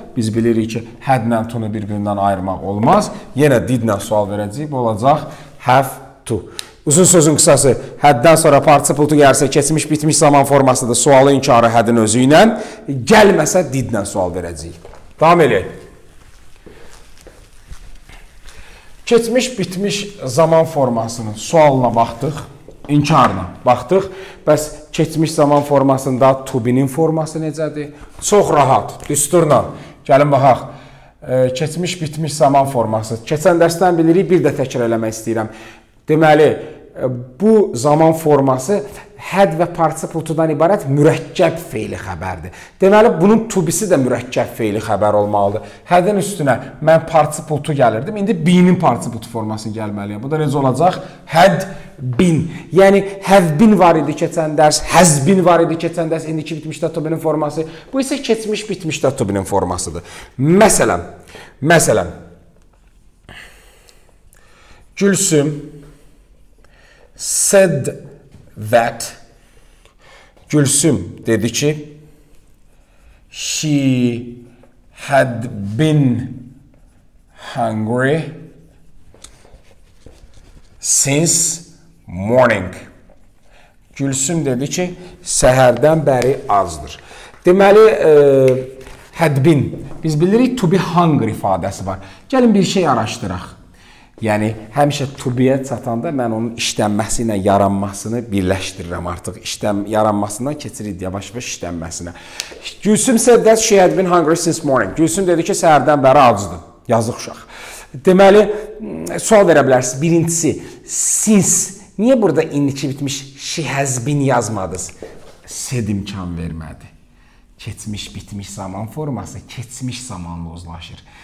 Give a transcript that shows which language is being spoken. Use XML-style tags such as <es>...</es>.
<az>Biz bilirik ki, had-lə to-nu bir-birindən ayırmaq olmaz. Yenə did-lə sual verəcəyik, bu olacaq have to. Uzun sözün qısası, had-dən sonra participle to gəlirsə, keçmiş bitmiş zaman formasında sualı inkarı had-in özü ilə, gəlməsə did-lə sual verəcəyik. Davam edək. Keçmiş bitmiş zaman formasının sualına baxdıq. İnkarına baxdıq. Bəs keçmiş zaman formasında to be-nin forması necədir? Çox rahat. Düsturla. Gəlin baxaq. Keçmiş bitmiş zaman forması. Keçən dərsdən bilirik, bir də təkrar eləmək istəyirəm. Deməli, bu zaman forması had və participle to-dan ibarət mürəkkəb feili xəbərdir. Deməli, bunun to be-si də mürəkkəb feili xəbər olmalıdır. Had-in üstünə mən participle to gəlirdim. İndi be-nin participle to forması gəlməliyə. Bu da necə olacaq? Had been. Yəni, have been var idi keçən dərs, has been var idi keçən dərs, indiki bitmişdə to be-nin forması. Bu isə keçmiş bitmişdə to be-nin formasıdır.</az> <en>Məsələn, Gülsüm said that</en> <az>Gülsüm dedi ki,</az> <en>she had been hungry since morning.</en> <az>Gülsüm dedi ki, səhərdən bəri azdır. Deməli, had been. Biz bilirik, to be hungry ifadəsi var. Gəlin bir şey araşdıraq. Yəni, həmişə to be-yə çatanda mən onun işlənməsi ilə yaranmasını birləşdirirəm artıq. Yaranmasından keçirir yavaş-yavaş işlənməsinə.</az> <en>Gülsüm said that she had been hungry since morning.</en> <az>Gülsüm dedi ki, səhərdən bəri azdır. Yazıq uşaq. Deməli, sual verə bilərsiniz. Birincisi, since... Niyə burada indiki bitmiş</az> <en>she has been</en> <az>yazmadınız? Said imkan vermədi. Keçmiş bitmiş zaman forması keçmiş zamanla uzlaşır.</az>